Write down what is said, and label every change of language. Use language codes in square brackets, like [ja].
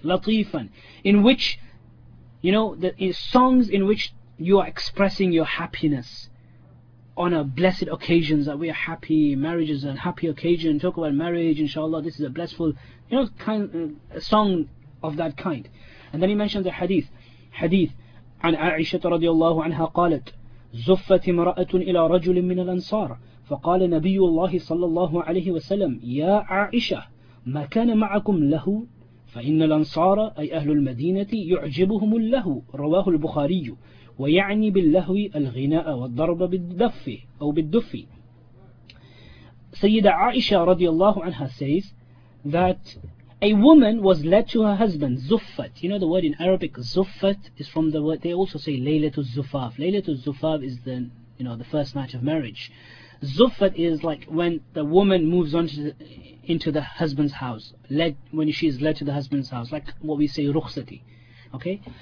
[ar] لَطِيفًا, [en] in which, you know, songs in which you are expressing your happiness on a blessed occasion, that we are happy, marriage is a happy occasion, talk about marriage, inshallah, this is a blissful, you know, kind a song of that kind. And then he mentions the hadith, [ar] عن عائشة رضي الله عنها قالت زفت امرأة إلى رجل من الأنصار فقال نبي الله صلى الله عليه وسلم يا عائشة ما كان معكم له فإن الأنصار أي أهل المدينة يعجبهم اللهو رواه البخاري ويعني باللهو الغناء والضرب بالدف أو بالدف. سيدة عائشة رضي الله عنها [en] says that a woman was led to her husband, Zuffat. You know the word in Arabic, Zuffat, is from the word, they also say Laylatul Zufaf. Laylatul Zufaf is the, you know, the first night of marriage. Zuffat is like when the woman moves on into the husband's house, when she is led to the husband's house, like what we say, Rukhsati. Okay?